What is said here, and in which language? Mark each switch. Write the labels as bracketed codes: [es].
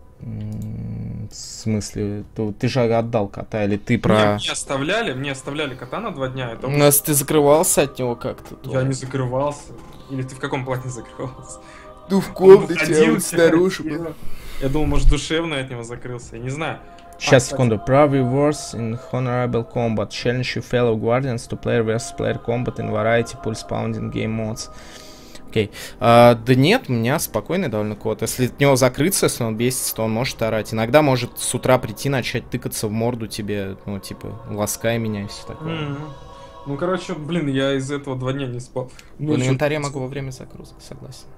[ru] В смысле, ты же отдал кота, или ты про. Мне оставляли кота на 2 дня. У нас ты закрывался от него как-то. Я не закрывался. Или ты в каком плане закрывался? Ну в комнате, а вот снаружи был. Я думал, может, душевно от него закрылся, я не знаю. Сейчас, секунду. [en] Prove wars in honorable combat. Challenge your fellow guardians to player versus player combat in variety pulse pounding game modes. [ru] Окей. Да нет, у меня спокойный довольно кот. Если от него закрыться, если он бесится, то он может орать. Иногда может с утра прийти, начать тыкаться в морду тебе, ну, типа, ласкай меня и все такое. Ну, короче, блин, я из этого 2 дня не спал. В инвентаре могу во время загрузки, согласен.